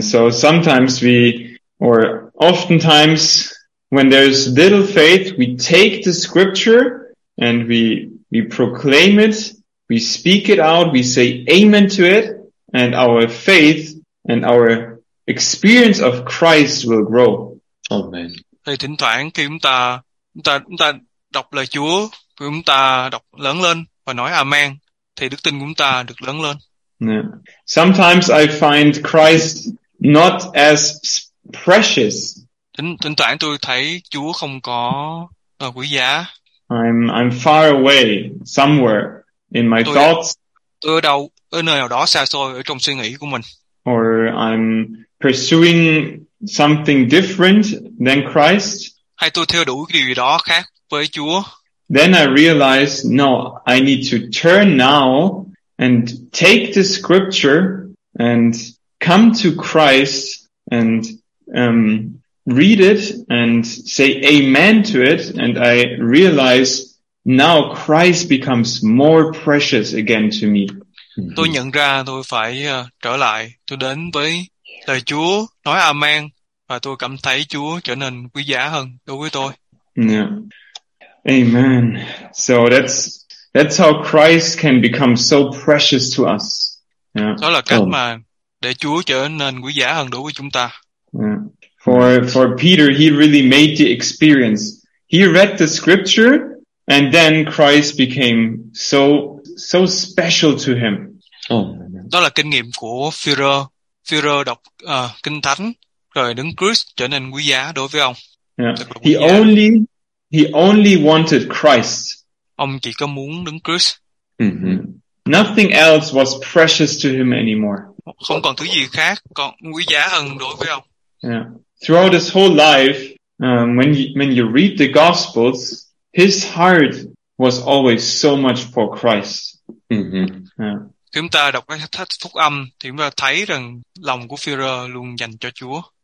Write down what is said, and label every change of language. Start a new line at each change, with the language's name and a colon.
English: So sometimes oftentimes when there's little faith, we take the scripture and we proclaim it, we speak it out, we say amen to it, and our faith and our experience of Christ will grow. Amen.
Vietnamese: Thì thỉnh thoảng khi chúng ta đọc lời Chúa, chúng ta đọc lớn lên và nói amen, thì đức tin của chúng ta được lớn lên.
English: Yeah. Sometimes I find Christ not as precious.
Vietnamese: Thỉnh thoảng tôi thấy Chúa không có quý giá.
English: I'm far away somewhere in my thoughts.
Vietnamese: Tôi ở đâu, ở nơi nào đó xa xôi ở trong suy nghĩ của mình.
English: Or I'm pursuing something different than Christ.
Vietnamese: Hay tôi theo đuổi điều gì đó khác với Chúa.
English: Then I realize, no, I need to turn now and take the scripture and come to Christ and read it and say amen to it. And I realize now Christ becomes more precious again to me.
Vietnamese: Tôi nhận ra tôi phải trở lại, tôi đến với lời Chúa, nói amen, và tôi cảm thấy Chúa trở nên quý giá hơn đối với tôi.
English: Yeah. Amen. So that's how Christ can become so precious to us. Yeah.
Vietnamese: Đó là cách mà để Chúa trở nên quý giá hơn đối với chúng ta.
English: Yeah. For Peter, he really made the experience. He read the scripture and then Christ became so special to him. Oh.
Vietnamese: Đó là kinh nghiệm của Peter. Peter đọc kinh thánh rồi đứng Christ trở nên quý giá đối với ông.
English: Yeah. He only wanted Christ.
Vietnamese: Ông chỉ có muốn đứng Christ. Mm-hmm.
English: Nothing else was precious to him anymore.
Vietnamese: Không còn thứ gì khác còn quý giá hơn đối với ông.
English: Yeah. Throughout his whole life, when you read the Gospels, his heart was always so much for Christ. Mm-hmm.
Vietnamese: Chúng ta đọc các sách Phúc Âm thì chúng ta thấy rằng lòng của Führer luôn dành cho Chúa.